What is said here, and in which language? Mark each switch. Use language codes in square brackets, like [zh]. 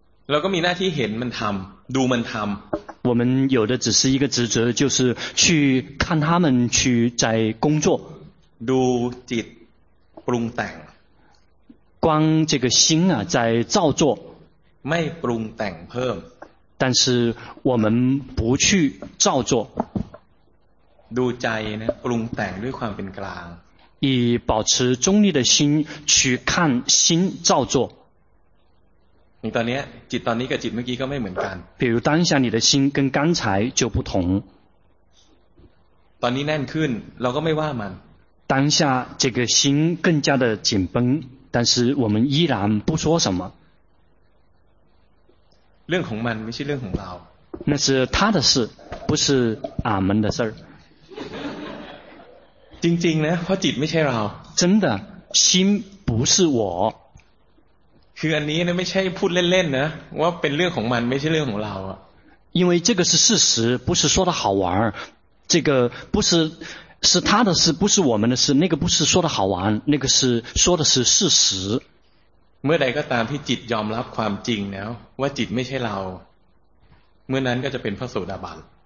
[th] เราก็มีหน้าที่เห็นมันทำดูมันทำ [zh] 我们有的只是一个职责就是去看他们去在工作 [th] ดูจิตปรุงแต่ง [zh] 光这个心啊在造作 [th] ไม่ปรุงแต่งเพิ่ม [zh] 但是我们不去造作 [th] ดูใจนะปรุงแต่งด้วยความเป็นกลาง [zh] 以保持中立的心去看心照做你 [th] ตอนนี้จิตตอนนี้กับจิตเมื่อกี้ก็ไม่เหมือนกัน [zh] 比如当下你的心跟刚才就不同 [th] ตอนนี้แน่นขึ้นเราก็ไม่ว่ามัน [zh] 当下这个心更加的紧绷但是我们依然不说什么 [th] เรื่องของมันไม่ใช่เรื่องของเรา [zh] 那是他的事不是俺们的事儿 [th] จริงๆนะเพราะจิตไม่ใช่เรา [zh] 真的心不是我 [th] คืออันนี้นะไม่ใช่พูดเล่นๆนะว่าเป็นเรื่องของมันไม่ใช่เรื่องของเราอ่ะ [zh] 因为这个是事实不是说的好玩这个不是是他的事不是我们的事那个不是说的好玩那个是说的是事实 [th] เมื่อใดก็ตามที่จิตยอมรับความจริงแล้วว่าจิตไม่ใช่เราเมื่อนั้นก็จะเป็นพระโสดาบัน